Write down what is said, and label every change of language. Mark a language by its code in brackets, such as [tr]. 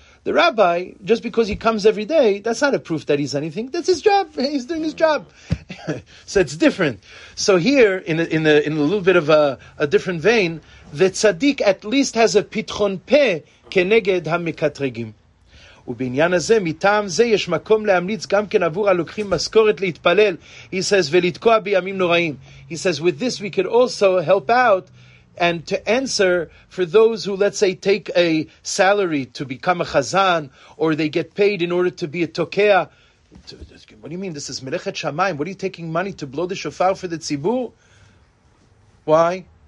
[en] The rabbi, just because he comes every day, that's not a proof that he's anything. That's his job. He's doing his job. So it's different. So here, in a little bit of a different vein, the tzaddik at least has a [he] pitchon peh keneged hamikatregim. ובעניין הזה, מטעם זה, יש מקום להמליץ גם כן עבור הלוקחים מזכורת להתפלל. [en] He says, [he] ולתקוע בימים נוראים. [en] He says, with this we could also help out and to answer for those who, let's say, take a salary to become a chazan, or they get paid in order to be a tokea. What do you mean? This is melechet shamayim. What are you taking money to blow the shofar for the tzibur? Why?